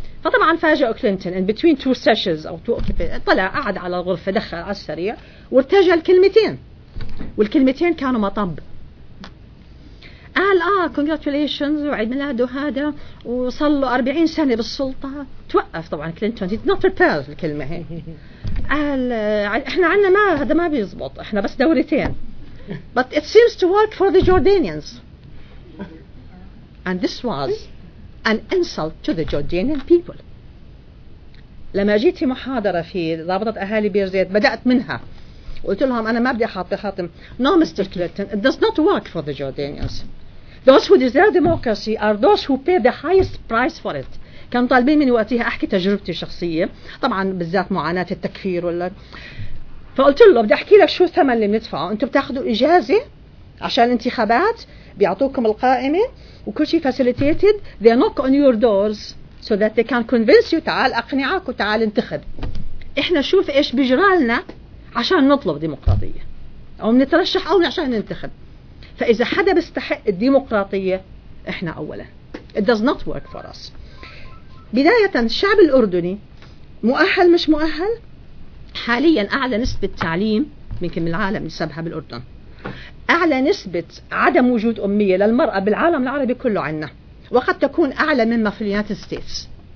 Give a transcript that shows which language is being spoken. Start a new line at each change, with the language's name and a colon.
Arabic: فطبعا فاجأ كلينتون
English: in between two sessions
Arabic: أو two طلع قعد على الغرفة دخل على السريع وارتجل كلمتين، والكلمتين كانوا مطب. قال congratulations وعيد ميلاده هذا وصل له 40 سنة بالسلطة. توقف طبعا كلينتون
English: did not prepare
Arabic: الكلمة هي. قال احنا عنا ما هذا ما بيزبط، احنا بس دورتين.
English: But it seems to work for the Jordanians. And this was an insult to the Jordanian people.
Arabic: لما جيت محاضرة في رابطة أهالي بير زيت بدأت منها قلت لهم أنا ما بدي أحاطي خاتم.
English: No, Mr. Clinton, it does not work for the Jordanians. Those who deserve democracy are those who pay the highest price for it.
Arabic: كانوا طالبين من وقتها أحكي تجربتي الشخصية طبعا بالذات معاناة التكفير ولا. فقلت له بدي أحكي لك شو الثمن اللي مندفعه. أنتوا بتاخدوا إجازة عشان الانتخابات، بيعطوكم القائمة وكل شيء facilitated.
English: They knock on your doors so that they can convince you،
Arabic: تعال أقنعك وتعال انتخب. إحنا شوف إيش بجرالنا عشان نطلب ديمقراطية أو نترشح أو عشان ننتخب. فإذا حدا بيستحق الديمقراطية إحنا أولا.
English: It does not work for us.
Arabic: بداية الشعب الأردني مؤهل مش مؤهل؟ حاليا أعلى نسبة تعليم يمكن بالعالم نسبها بالأردن، أعلى نسبة عدم وجود أمية للمرأة بالعالم العربي كله عنا، وقد تكون أعلى مما في United States.